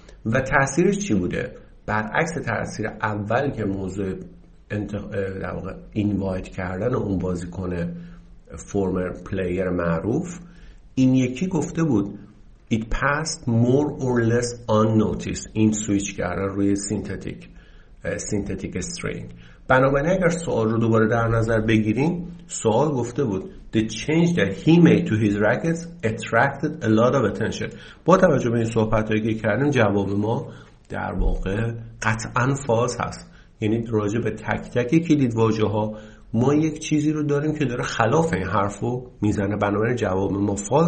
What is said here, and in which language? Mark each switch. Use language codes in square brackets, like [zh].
[fa] و تأثیرش چی بوده؟ برعکس تأثیر اول که موضوع در واقع اینوایت کردن اون بازیکن فورمر پلیر معروف، این یکی گفته بود [en] it passed more or less unnoticed، [fa] این سویچ کردن روی سینتتیک استرینگ. بنابراین اگر سوال رو دوباره در نظر بگیریم، سوال گفته بود [en] the change that he made to his rackets attracted a lot of attention. [fa] با توجه به این صحبتایی که کردیم جواب ما در واقع قطعا فالس هست، یعنی راجع به تک تک کلید واژه ها ما یک چیزی رو داریم که داره خلاف این حرفو میزنه، بنابراین جواب ما فالس هست.